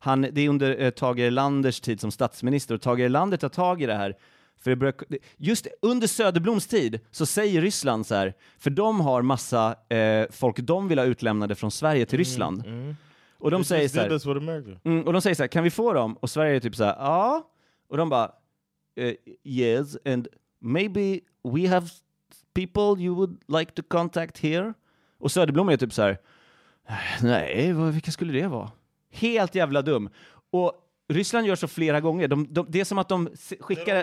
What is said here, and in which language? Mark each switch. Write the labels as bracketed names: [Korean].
[Swedish] Det är under Tage Erlanders tid som statsminister. Och Tage Erlander tar tag i det här. För det börjar, just under Söderbloms tid så säger Ryssland så här. För de har massa folk de vill ha utlämnade från Sverige till Ryssland. Och de säger så här. Och de säger så här, kan vi få dem? Och Sverige är typ så här, ja. Och de bara, yes. [English] And maybe we have people you would like to contact here. [Swedish] Och Söderblom är typ så här. Nej, vilka skulle det vara? Helt jävla dum. Och Ryssland gör så flera gånger. Det är som att de skickar...